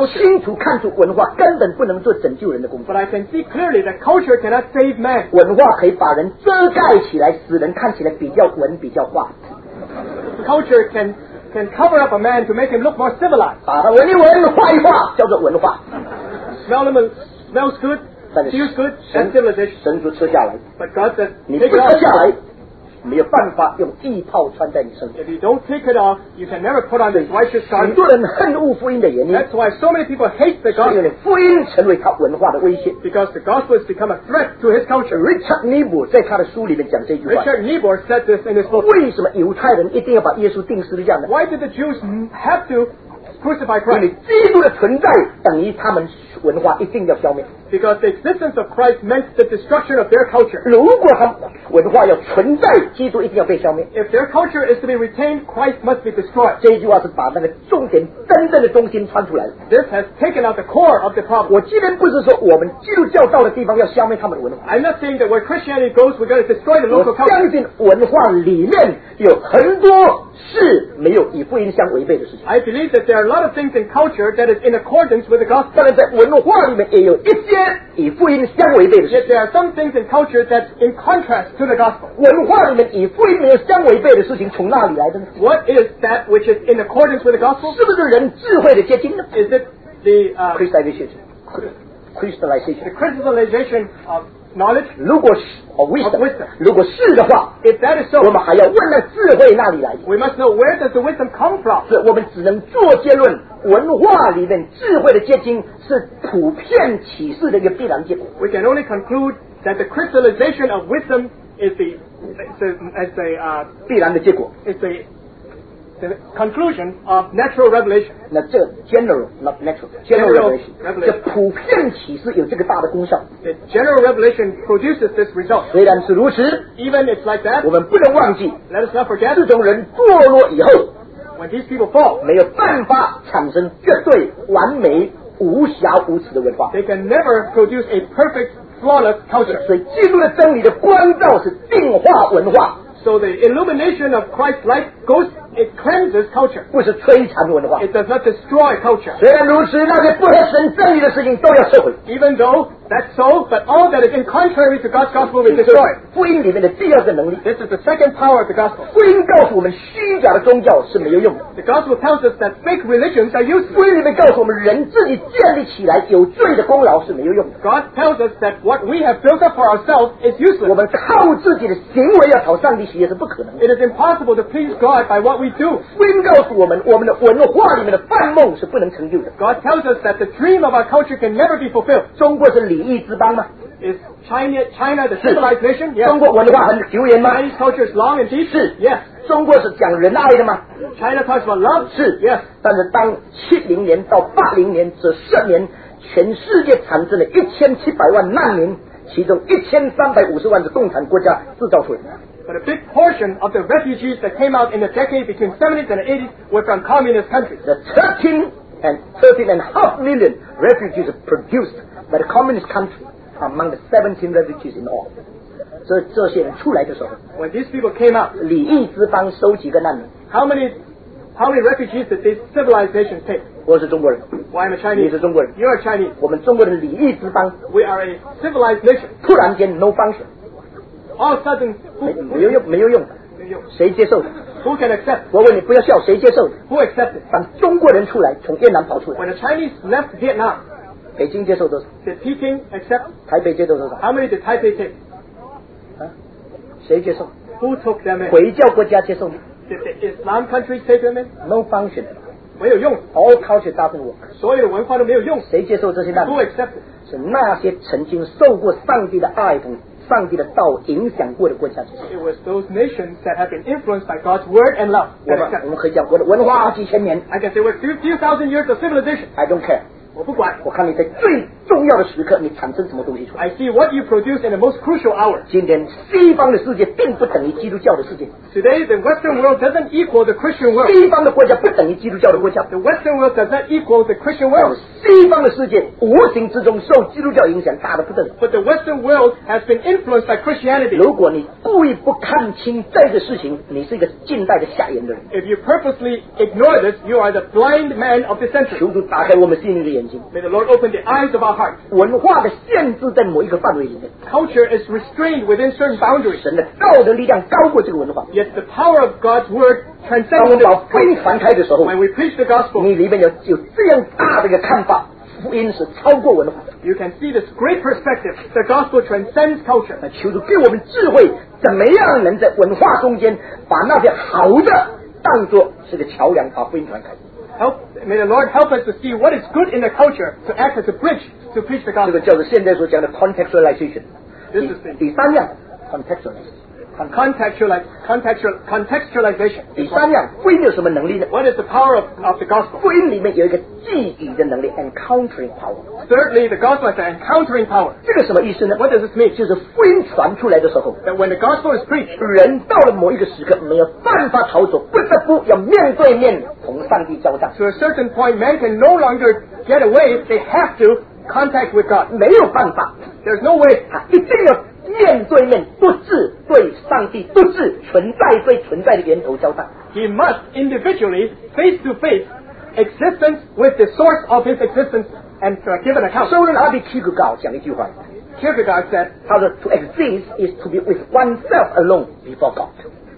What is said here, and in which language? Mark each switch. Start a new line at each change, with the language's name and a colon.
Chinese: 我清楚看出文化根本不能做拯救人的工作。
English: But I can see clearly that culture cannot save man.
Chinese: 文化可以把人遮盖起来，使人看起来比较文比较化。
English: Culture can cover up a man to make him look more civilized.
Chinese: 把他闻一闻，画一画，叫做文化。
English: Smell him, smells good, feels good, and civilization.
Chinese: 神主吃下来。
English: But God said,
Chinese: 你不吃下来。没有办法用义袍穿在你身上。
English: If you don't take it off, you can never put on the righteous garment.
Chinese: 很多人恨恶福音的原因。
English: That's why so many people hate the gospel.
Chinese: 是因为福音成为他文化的威胁。
English: Because the gospel has become a threat to his culture.
Chinese: Richard Niebuhr 在他的书里面讲这句话。
English: Richard Niebuhr said this in his book.
Chinese: 为什么犹太人一定要把耶稣钉十字架呢？
English: Why did the Jews have to crucify Christ?
Chinese: 因为基督的存在等于他们文化一定要消灭。
English: Because the existence of Christ meant the destruction of their culture.
Chinese: 如果他文化要存在，基督一定要被消灭。
English: If their culture is to be retained, Christ must be destroyed.
Chinese: 这句话是把那个重点真正的中心穿出来了。
English: This has taken out the core of the problem.
Chinese: 我今天不是说我们基督教到的地方要消灭他们的文化。
English: I'm not saying that where Christianity goes, we're going to destroy the local culture.
Chinese: 我相信文化里面有很多是没有与福音相违背的事情。
English: I believe that there are a lot of things in culture that is in accordance with the gospel.
Chinese: 但是在文化里面也有一些与福音相违背的事情。
English: Yet there are some things in culture that's in contrast to the gospel.
Chinese: 文化里面与福音没有相违背的事情从哪里来的呢？
English: What is that which is in accordance with the gospel?
Chinese: 是不是人智慧的结晶呢？
English: Is it the crystallization? The crystallization of knowledge?
Chinese: 如果是如果是的话
English: If that is so,
Chinese: 我们还要问那智慧那里来
English: We must know where does the wisdom come from?
Chinese: 是我们只能做结论文化里面智慧的结晶是普遍启示的一个必然结果
English: We can only conclude that the crystallization of wisdom is the,
Chinese: 必然的结果
English: is the conclusion of natural revelation
Chinese: 那这
English: general not natural general revelation
Chinese: 就普遍启示有这个大的功效
English: the general revelation produces this result
Chinese: 虽然是如此
English: even it's like that
Chinese: 我们不能忘记
English: let us not forget
Chinese: 这种人堕落以后
English: when these people fall
Chinese: 没有办法产生绝对完美无瑕无疵的文化
English: they can never produce a perfect flawless culture
Chinese: 所以基督的真理的光照是净化文化
English: so the illumination of Christ's light goes It cleanses culture.
Chinese: 不是摧残文化。
English: It does not destroy culture.
Chinese: 虽然如此，那些不合神真理的事情都要摧毁。
English: Even though that's so, but all that is in contrary to God's gospel will be destroyed.
Chinese: 福音里面的第二个能力。
English: This is the second power of the gospel.
Chinese: 福音告诉我们，虚假的宗教是没有用的。
English: The gospel tells us that fake religions are useless.
Chinese: 福音里面告诉我们，人自己建立起来有罪的功劳是没有用的。
English: God tells us that what we have built up for ourselves is useless.
Chinese: 我们靠自己的行为要讨上帝喜悦是不可能的。
English: It is impossible to please God by what we do.
Chinese: 福音告诉我们，我们的文化里面的范梦是不能成就的。
English: God tells us that the dream of our culture can never be fulfilled.
Chinese: 中国是礼仪之邦吗？
English: Is China the civilized nation? Yes.
Chinese: 中国文化很久远吗？
English: Chinese culture is long and deep.
Chinese: 是。
English: Yes.
Chinese: 中国是讲仁爱的吗？
English: China talks about love.
Chinese: 是。
English: Yes.
Chinese: 但是当70年到80年这十年，全世界产生了1700万难民，其中1350万是共产国家制造出来的。
English: But a big portion of the refugees that came out in the decade between 70s and 80s were from communist countries. The 13.5 million refugees produced by the communist country among the 17 refugees in all.
Chinese: 所以这些人出来的时候
English: When these people came out,
Chinese: 礼义之邦收几个难民
English: How many refugees did these civilized nations take?
Chinese: 我是中国人
English: Why am I Chinese?
Chinese: 你是中国人
English: You are Chinese.
Chinese: 我们中国人礼义之邦
English: We are a civilized nation.
Chinese: 突然间
English: no function. All of a sudden,
Chinese: 没有用，谁接受的
English: ？Who can accept?
Chinese: 我问你，不要笑，谁接受的
English: ？Who accepted?
Chinese: 当中国人出来，从越南跑出来。
English: When the Chinese left Vietnam,
Chinese: 北京接受多少
English: ？Did Peking accept?
Chinese: 台北接受多少
English: ？How many did Taipei take?
Chinese: 谁接受
English: ？Who took them in?
Chinese: 回教国家接受吗
English: ？Did the Islam countries take them in? No function.
Chinese: 没有用。
English: All culture doesn't work.
Chinese: 所有的文化都没有用。谁接受这些难民
English: ？Who accepted?
Chinese: 是那些曾经受过上帝的爱的。上帝的道影响过的国家
English: It was those nations that have been influenced by God's word and love
Chinese: 我们可以讲我的文化几千年
English: I guess there were few thousand years of civilization I don't care
Chinese: 我不管我看你在最重要的时刻你产生什么东西出来
English: I see what you produce in the most crucial hour
Chinese: 今天西方的世界并不等于基督教的世界
English: Today the western world doesn't equal the Christian world
Chinese: 西方的国家不等于基督教的国家
English: The western world does not equal the Christian world
Chinese: 西方的世界无形之中受基督教影响大得不得了
English: But the western world has been influenced by Christianity
Chinese: 如果你故意不看清这个事情你是一个近代的瞎眼的人
English: If you purposely ignore this you are the blind man of the century
Chinese: 求主打开我们心灵的眼睛
English: May the Lord open the eyes of our heart
Chinese: 文化的限制在某一个范围里面
English: Culture is restrained within certain boundaries
Chinese: 神的道德力量高过这个文化
English: Yet the power of God's word transcends
Chinese: 当我们把福音传开的时候
English: When we preach the gospel
Chinese: 你里面有这样大的一个看法福音是超过文化的
English: You can see this great perspective. The gospel transcends culture.
Chinese: 那求主给我们智慧，怎么样能在文化中间把那些好的当作是个桥梁，把福音传开。
English: Help, may the Lord help us to see what is good in the culture to act as a bridge to preach the gospel.
Chinese: 这个叫做现在所讲的 contextualization.
English: This is the
Chinese: 第三样 contextualization.
English: Contextualization.
Chinese: 第三样，福音有什么能力呢？
English: What is the power of the gospel?
Chinese: 福音里面有一个记忆的能力 ，
English: encountering power. Thirdly, the gospel has an encountering power.
Chinese: 这个什么意思呢？
English: What does this mean?
Chinese: 就是福音传出来的时候
English: ，that when the gospel is preached,
Chinese: 人到了某一个时刻没有办法逃走，不得不要面对面同上帝交战。
English: To a certain point, man can no longer get away. They have to contact with God.
Chinese: 没有办法
English: ，there's no way.
Chinese: 他一定要。面对面独自对上帝独自存在对存在的源头交战
English: He must individually face to face existence with the source of his existence and give an account
Chinese: 收人阿比奇格高讲一句话
English: Kierkegaard said
Chinese: 他说
English: to exist is to be with oneself alone before God